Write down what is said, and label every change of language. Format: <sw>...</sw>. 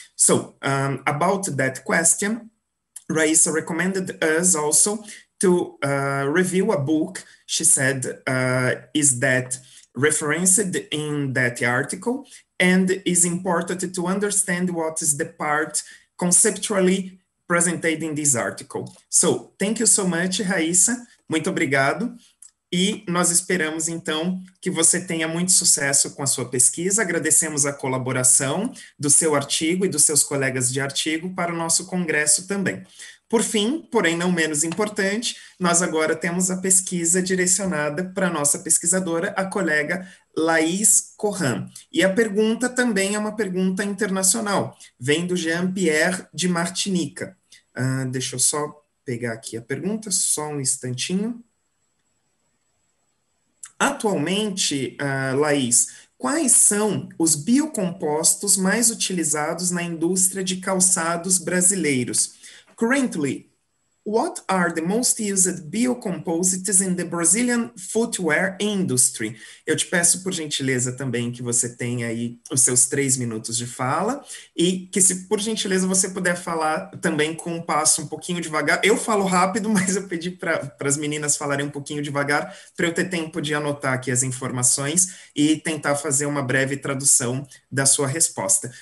<en>So about that question, Raíssa recommended us also to review a book. She said is that referenced in that article and is important to understand what is the part conceptually presented in this article. So, thank you so much, Raíssa.</en> <pt>Muito obrigado. E nós esperamos, então, que você tenha muito sucesso com a sua pesquisa. Agradecemos a colaboração do seu artigo e dos seus colegas de artigo para o nosso congresso também. Por fim, porém não menos importante, nós agora temos a pesquisa direcionada para a nossa pesquisadora, a colega Laís Corran. E a pergunta também é uma pergunta internacional, vem do Jean-Pierre de Martinica. Deixa eu só pegar aqui a pergunta, só um instantinho. Atualmente, Laís, quais são os biocompostos mais utilizados na indústria de calçados brasileiros?</pt> <en>Currently, What are the most used biocomposites in the Brazilian footwear industry?</en> <pt>Eu te peço, por gentileza, também que você tenha aí os seus 3 minutos de fala e que, se por gentileza, você puder falar também com um passo um pouquinho devagar. Eu falo rápido, mas eu pedi para as meninas falarem um pouquinho devagar para eu ter tempo de anotar aqui as informações e tentar fazer uma breve tradução da sua resposta.</pt>